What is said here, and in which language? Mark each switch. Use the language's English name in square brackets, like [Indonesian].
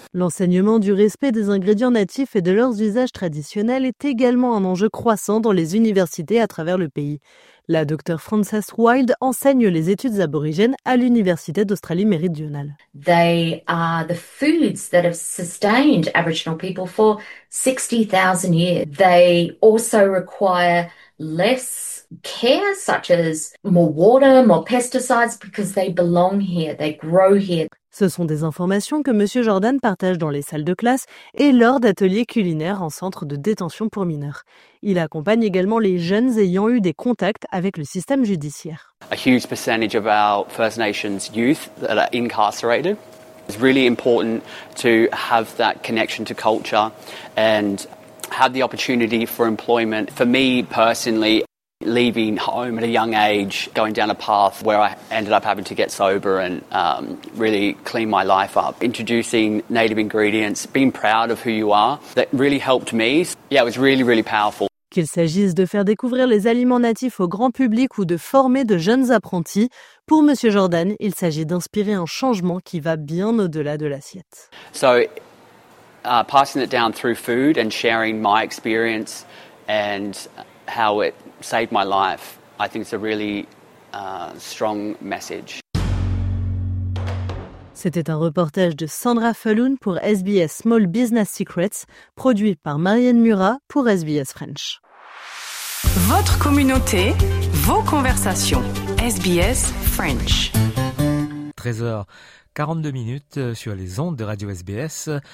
[French] L'enseignement du respect des ingrédients natifs et de leurs usages traditionnels est également un enjeu croissant dans les universités à travers le pays. La docteure Frances Wild enseigne les études aborigènes à l'Université d'Australie méridionale. [English] They are the foods that have sustained Aboriginal people for 60,000 years. They also require less care, such as more water, more pesticides, because they belong here, they grow here. [French] Ce sont des informations que Monsieur Jordan partage dans les salles de classe et lors d'ateliers culinaires en centre de détention pour mineurs. Il accompagne également les jeunes ayant eu des contacts avec le système judiciaire. [English] A huge percentage of our First Nations youth that are incarcerated. It's really important to have that connection to culture and have the opportunity for employment. For me personally, leaving home at a young age, going down a path where I ended up having to get sober and really clean my life up. Introducing native ingredients, being proud of who you are, that really helped me. Yeah, it was really, really powerful. [French] Qu'il s'agisse de faire découvrir les aliments natifs au grand public ou de former de jeunes apprentis, pour M. Jordan, il s'agit d'inspirer un changement qui va bien au-delà de l'assiette. [English] So, passing it down through food and sharing my experience and how it saved my life, I think it's a really strong message. [French] C'était un reportage de Sandra Falloon pour SBS Small Business Secrets, produit par Marianne Murat pour SBS French. Votre communauté, vos conversations. SBS French. 13h42 sur les ondes de Radio SBS.